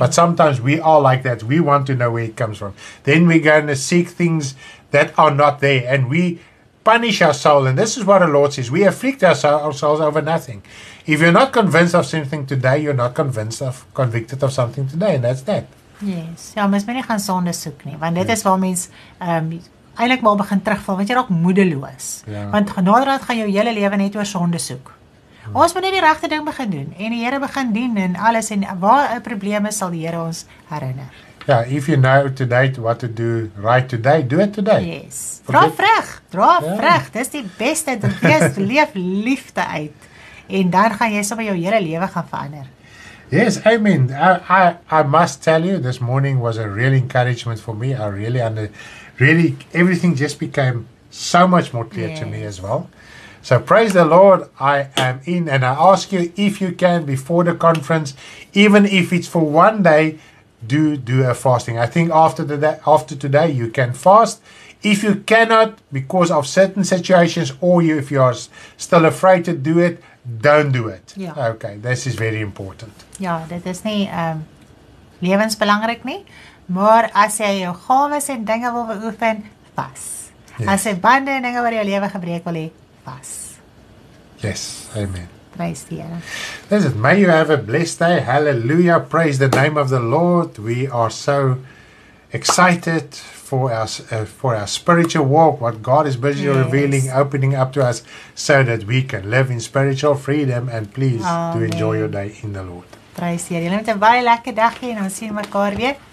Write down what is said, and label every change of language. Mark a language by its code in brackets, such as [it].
[en] But sometimes we are like that. We want to know where it comes from. Then we're going to seek things that are not there. And we punish our soul. And this is what the Lord says. We afflict ourselves over nothing. If you're not convinced of something today, you're not convicted of something today. And that's that. Yes. [af] Ja, mens moet nie gaan sonde soek nie. Want dit is waar mens eintlik maar begin terugval. Want jy raak moedeloos. [en] Yeah. [af] Want naderhand gaan jou hele lewe net oor sonde soek. Ons moet net die regte ding begin doen. En die Here begin dien en alles. En waar 'n probleem is, sal die Here ons herinner. [en] Yeah, if you know today what to do right today, do it today. [af] Yes. Draag vrug. Dis die beste. Wees leef liefde uit. En dan gaan jy sommer jou hele lewe gaan verander. [en] Yes, amen. I must tell you, this morning was a real encouragement for me. I really, everything just became so much more clear to me as well. So praise the Lord, I am in. And I ask you, if you can, before the conference, even if it's for one day, do a fasting. I think after today, you can fast. If you cannot, because of certain situations, or if you are still afraid to do it, don't do it. Yeah. Okay, this is very important. [af] Ja, dit is nie lewensbelangrik nie, maar as jy jou gawes en dinge wil beoefen, vas. Yes. As jy bande en dinge oor jou lewe gebreek wil hê, vas. [en] Yes, amen. [af] Praise die Here. [en] This is, may you have a blessed day. Hallelujah. Praise the name of the Lord. We are so excited for our spiritual walk, what God is busy revealing, opening up to us, so that we can live in spiritual freedom. And please, do enjoy your day in the Lord. Praise the Lord. [af] Jullie moet een baie lekker dagje en dan sien mekaar weer.